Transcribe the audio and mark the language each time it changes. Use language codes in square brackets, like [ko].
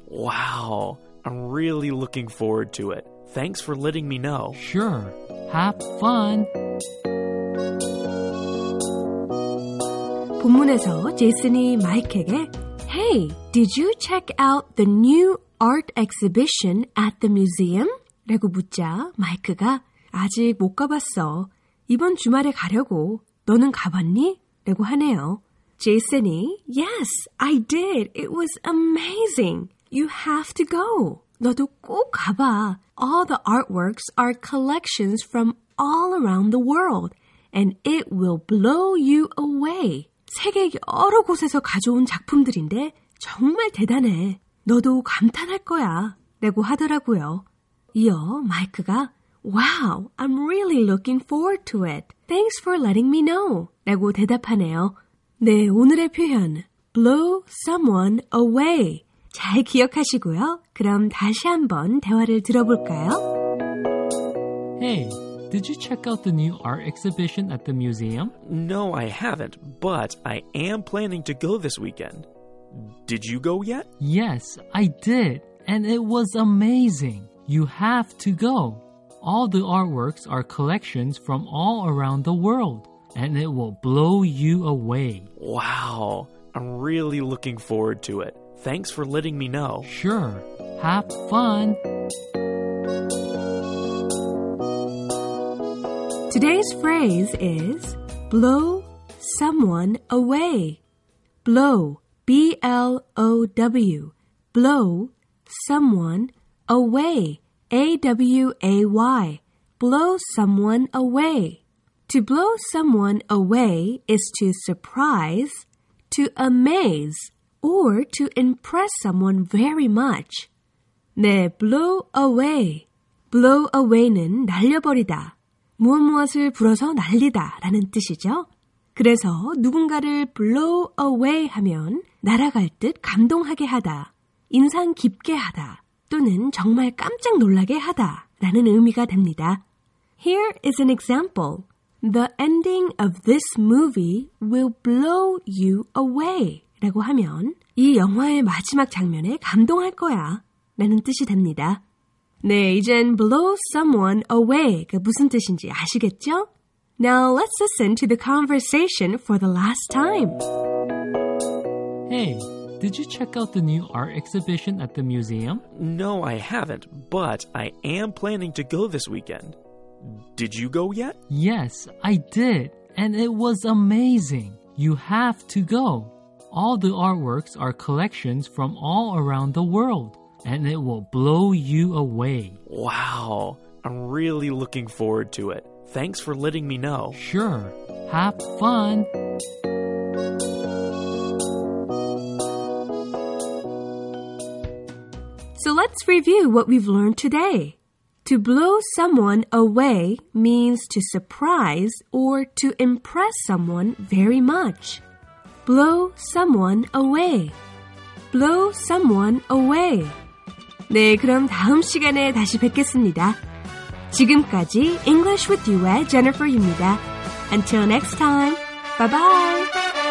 [en] Wow, I'm really looking forward to it. Thanks for letting me know. Sure, have fun. [ko] 본문에서 제이슨이 마이크에게 [en] Hey, did you check out the new art exhibition at the museum? [ko] 라고 묻자 마이크가 아직 못 가봤어. 이번 주말에 가려고. 너는 가봤니? 라고 하네요. [en] 제이슨이 Yes, I did. It was amazing. You have to go. [ko] 너도 꼭 가봐. [en] All the artworks are collections from all around the world. And it will blow you away. [ko] 세계 여러 곳에서 가져온 작품들인데 정말 대단해. 너도 감탄할 거야. 라고 하더라고요. 이어 마이크가 [en] Wow, I'm really looking forward to it. Thanks for letting me know. [ko] 라고 대답하네요. 네, 오늘의 표현. [en] Blow someone away. [ko] 잘 기억하시고요. 그럼 다시 한번 대화를 들어볼까요? [en] Hey, did you check out the new art exhibition at the museum? No, I haven't, but I am planning to go this weekend. Did you go yet? Yes, I did, and it was amazing. You have to go. All the artworks are collections from all around the world, and it will blow you away. Wow, I'm really looking forward to it. Thanks for letting me know. Sure, have fun. Today's phrase is blow someone away. Blow, B-L-O-W, blow someone away. A-W-A-Y, blow someone away. To blow someone away is to surprise, to amaze, or to impress someone very much. [ko] 네, blow away. Blow away는 날려버리다, 무엇무엇을 불어서 날리다 라는 뜻이죠. 그래서 누군가를 blow away 하면 날아갈 듯 감동하게 하다, 인상 깊게 하다. 또는 정말 깜짝 놀라게 하다 라는 의미가 됩니다. [en] Here is an example. The ending of this movie will blow you away [ko] 라고 하면 이 영화의 마지막 장면에 감동할 거야 라는 뜻이 됩니다. 네, 이젠 blow someone away 그 무슨 뜻인지 아시겠죠? [en] Now let's listen to the conversation for the last time. Hey, did you check out the new art exhibition at the museum? No, I haven't, but I am planning to go this weekend. Did you go yet? Yes, I did, and it was amazing. You have to go. All the artworks are collections from all around the world, and it will blow you away. Wow, I'm really looking forward to it. Thanks for letting me know. Sure, have fun. So let's review what we've learned today. To blow someone away means to surprise or to impress someone very much. Blow someone away. Blow someone away. [ko] 네, 그럼 다음 시간에 다시 뵙겠습니다. 지금까지 [en] English with You의 Jennifer입니다. Until next time, bye-bye.